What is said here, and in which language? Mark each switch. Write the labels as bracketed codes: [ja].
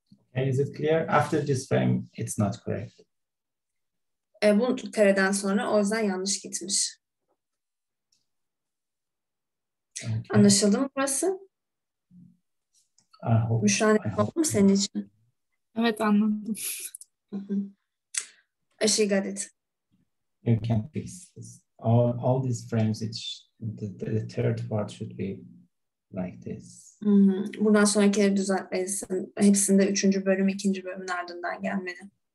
[en] Okay, is it clear? After this frame, it's not correct. [tr] Bunu kareden sonra, o yüzden yanlış gitmiş. [en] Okay. [tr] Anlaşıldı mı burası? Müşrahane oldu mu senin için? Evet, anladım. [en] She got it. You can fix this. All these frames, the third part should be like this. Mm-hmm. [tr] Buradan sonrakileri düzeltmelisin. Hepsinde üçüncü bölüm, ikinci bölümün ardından gelmeli.